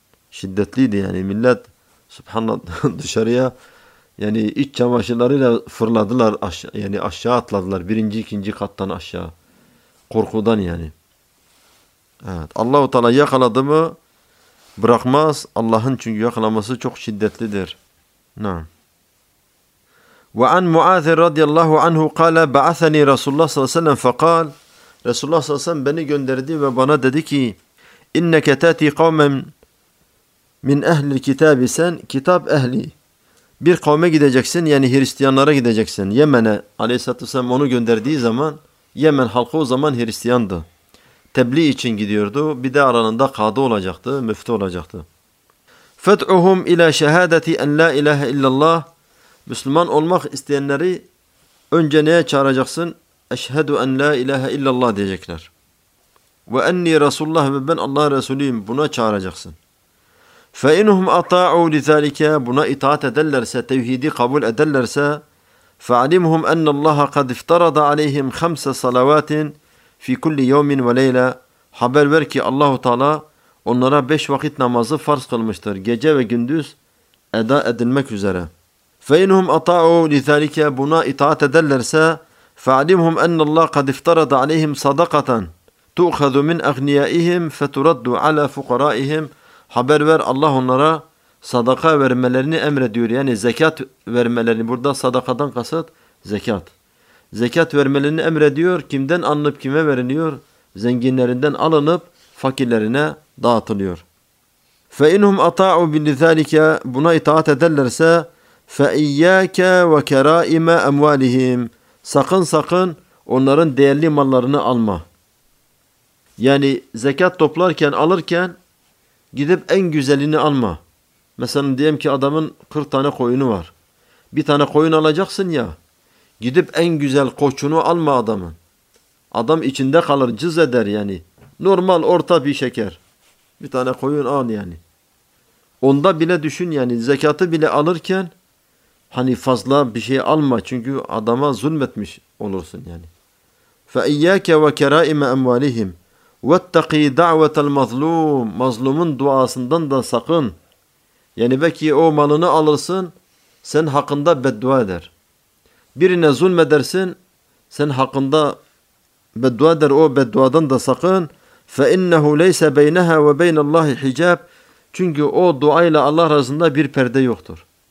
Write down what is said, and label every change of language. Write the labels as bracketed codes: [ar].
[tr] Şiddetliydi yani millet subhanallah dışarıya yani iç çamaşırlarıyla fırladılar aşağı, yani aşağı atladılar birinci ikinci kattan aşağı korkudan yani. Evet Allah-u Teala yakaladı mı? Bırakmaz. Allah'ın çünkü yakalaması çok şiddetlidir. Naam. [ar] وَعَنْ مُعَاذٍ رَضِيَ اللّٰهُ عَنْهُ قَالَ بَعَثَنِي رَسُولُ اللّٰهِ صَلَّى اللّٰهُ عَلَيْهِ وَسَلَّمَ فَقَالَ [tr] Resulullah sallallahu aleyhi ve sellem beni gönderdi ve bana dedi ki [ar] اِنَّكَ تَاتِي قَوْمًا min ehli kitab [tr] isen kitap ehli. Bir kavme gideceksin, yani Hristiyanlara gideceksin. Yemen'e aleyhissalatü vesselam onu gönderdiği zaman Yemen halkı o zaman Hristiyandı. Tebliğ için gidiyordu. Bir de aralarında kadı olacaktı, müftü olacaktı. [ar] Fed'uhum ila şehadeti en la ilahe illallah. [tr] Müslüman olmak isteyenleri önce neye çağıracaksın? [ar] Eşhedü en la ilahe illallah [tr] diyecekler. [ar] Ve enni Resulullah [tr] ve ben Allah Resulüyüm. Buna çağıracaksın. [ar] فَإِنُهُمْ أَطَاعُوا لِذَٰلِكَ [tr] buna itaat ederlerse, tevhidi kabul ederlerse [ar] فَعَلِمْهُمْ أَنَّ اللّٰهَ قَدْ اِفْتَرَضَ عَلَيْهِمْ خَمْسَ صَلَوَاتٍ فِي كُلِّ يَوْمٍ وَلَيْلًا [tr] haber ver ki Allah-u Teala onlara beş vakit namazı farz kılmıştır. Gece ve gündüz eda edilmek üzere. [ar] فَإِنُهُمْ أَطَاعُوا لِذَٰلِكَ [tr] buna itaat ederlerse [ar] فَعَلِمْهُمْ أَنَّ اللّٰهَ قَدْ اِفْتَرَضَ عَلَيْهِمْ صَدَقَةً تُؤْخَذُ مِنْ أَغْنِيَائِهِمْ فَتُرَدُّ عَلَى فُقَرَائِهِمْ [tr] haber ver Allah onlara sadaka vermelerini emrediyor. [ar] Yani zekat vermelerini. Burada sadakadan kasıt zekat. Zekat vermelerini emrediyor. Kimden alınıp kime veriliyor? Zenginlerinden alınıp fakirlerine dağıtılıyor. فَاِنْهُمْ اَطَاعُوا بِلِذَٰلِكَ [tr] buna itaat ederlerse [ar] فَاِيَّاكَ وَكَرَائِمَا اَمْوَالِهِمْ [tr] sakın sakın onların değerli mallarını alma. Yani zekat toplarken alırken gidip en güzelini alma. Mesela diyelim ki adamın 40 tane koyunu var. Bir tane koyun alacaksın ya. Gidip en güzel koçunu alma adamın. Adam içinde kalır, cız eder yani. Normal orta bir şeker. Bir tane koyun al yani. Onda bile düşün yani zekatı bile alırken hani fazla bir şey alma. Çünkü adama zulmetmiş olursun yani. [ar] فَاِيَّاكَ وَكَرَائِمَ اَمْوَالِهِمْ وَاتَّقِي دَعْوَةَ الْمَظْلُومِ [tr] mazlumun duasından da sakın. Yani belki o malını alırsın, sen hakkında beddua eder. Birine zulmedersin, sen hakkında beddua eder, o bedduadan da sakın. [ar] فَاِنَّهُ لَيْسَ بَيْنَهَا وَبَيْنَ اللّٰهِ حِجَابٍ [tr] çünkü o duayla Allah arasında bir perde yoktur.